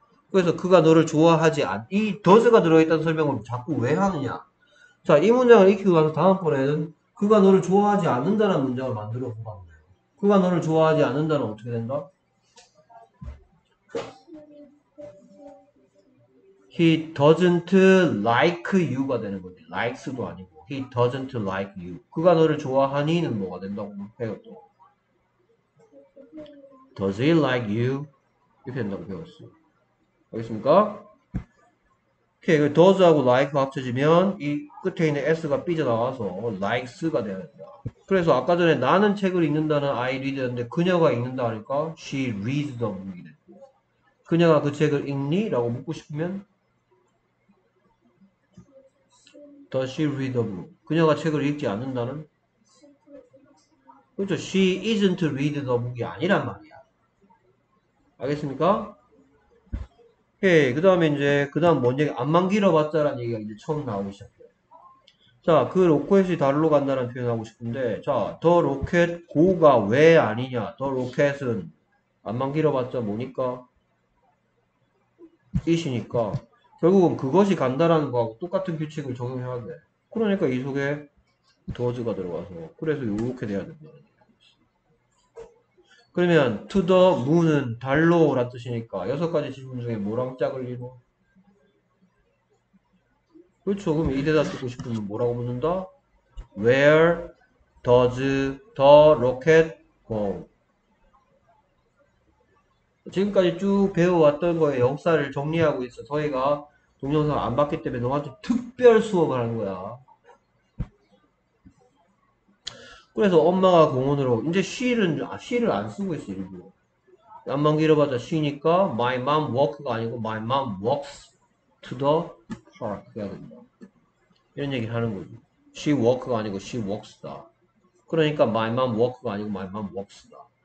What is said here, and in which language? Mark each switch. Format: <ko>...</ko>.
<ko>그래서 그가 너를 좋아하지 않, 이 does가 들어있다는 설명을 자꾸 왜 하느냐? 자, 이 문장을 익히고 나서 다음번에는 그가 너를 좋아하지 않는다는 문장을 만들어 보았네요. 그가 너를 좋아하지 않는다는 어떻게 된다?</ko> <en>He doesn't like you</en> <ko>가 되는 거지.</ko> <en>likes</en> <ko>도 아니고.</ko> <en>He doesn't like you.</en> <ko>그가 너를 좋아하니는 뭐가 된다고 배웠어.</ko> <en>Does he like you?</en> <ko>이렇게 된다고 배웠어. 알겠습니까? 이렇게 does하고 like 합쳐지면 이 끝에 있는 s가 삐져나와서 likes가 되어야 된다. 그래서 아까 전에 나는 책을 읽는다는</ko> <en>I read</en> <ko>였는데 그녀가 읽는다 하니까</ko> <en>she reads the book</en> <ko>이 됐고 그녀가 그 책을 읽니? 라고 묻고 싶으면</ko> <en>does she read the book?</en> <ko>그녀가 책을 읽지 않는다는? 그렇죠.</ko> <en>she isn't read the book</en> <ko>이 아니란 말이야. 알겠습니까? 예, 그 다음에 이제, 그 다음 뭔 얘기, 암만 길어봤자라는 얘기가 이제 처음 나오기 시작해요. 자, 그 로켓이 달로 간다는 표현하고 싶은데, 자, 더 로켓 고가 왜 아니냐? 더 로켓은 암만 길어봤자 뭐니까? 이시니까. 결국은 그것이 간다라는 거하고 똑같은 규칙을 적용해야 돼. 그러니까 이 속에 더즈가 들어가서, 그래서 요렇게 돼야 된다. 그러면</ko> <en>to the moon</en> <ko>은 달로라 뜻이니까 6가지 질문 중에 뭐랑 짝을 이루어? 그렇죠. 그럼 이 대답 듣고 싶으면 뭐라고 묻는다?</ko> <en>Where does the rocket go?</en> <ko>지금까지 쭉 배워왔던 거에 역사를 정리하고 있어. 저희가 동영상 안 봤기 때문에 너한테 특별 수업을 하는 거야. 그래서 엄마가 공원으로 이제</ko> <en>she</en> <ko>를 안 쓰고 있어 일부러 암만 길어봐도 she니까</ko> <en>my mom walk</en> <ko>가 아니고</ko> <en>my mom walks to the park</en> <ko>해야 된다 이런 얘기를 하는 거지</ko> <en>she walk</en> <ko>가 아니고</ko> <en>she walks</en> <ko>다 그러니까 my mom walk가 아니고</ko> <en>my mom walks</en> <ko>다</ko>